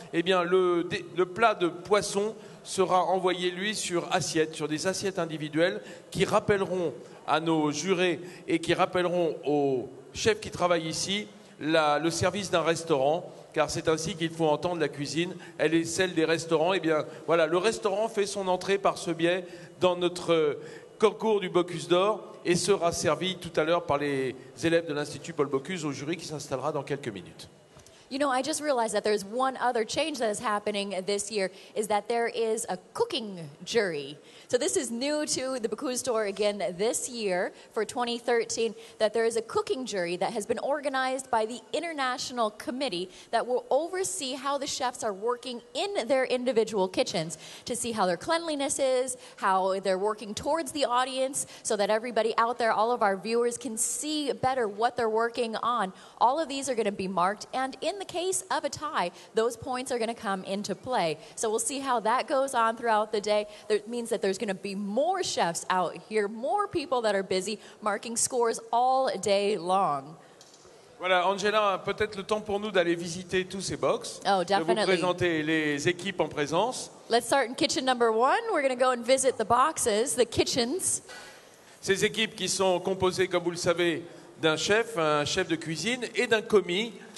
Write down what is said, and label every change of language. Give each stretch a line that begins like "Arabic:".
French: Eh bien, le plat de poisson sera envoyé, lui, sur des assiettes individuelles qui rappelleront à nos jurés et qui rappelleront aux chefs qui travaillent ici le service d'un restaurant, car c'est ainsi qu'il faut entendre la cuisine, elle est celle des restaurants. Et bien voilà, le restaurant fait son entrée par ce biais dans notre concours du Bocuse d'Or et sera servi tout à l'heure par les élèves de l'Institut Paul Bocuse au jury qui s'installera dans quelques minutes.
English: You know, I just realized that there's one other change that is happening this year, is that there is a cooking jury. So this is new to the Bocuse d'Or again this year for 2013, that there is a cooking jury that has been organized by the International Committee that will oversee how the chefs are working in their individual kitchens to see how their cleanliness is, how they're working towards the audience, so that everybody out there, all of our viewers, can see better what they're working on. All of these are going to be marked, and in the case of a tie, those points are going to come into play. So we'll see how that goes on throughout the day. That means that there's going to be more chefs out here, more people that are busy marking scores all day long.
French: Voilà, Angela, peut-être le temps pour nous d'aller visiter tous ces box.
English: Oh, definitely.
French: De vous présenter les équipes en présence.
English: Let's start in kitchen number one. We're going to go and visit the boxes, the kitchens.
French: Ces équipes qui sont composées, comme vous le savez, d'un chef, un chef de cuisine et d'un commis.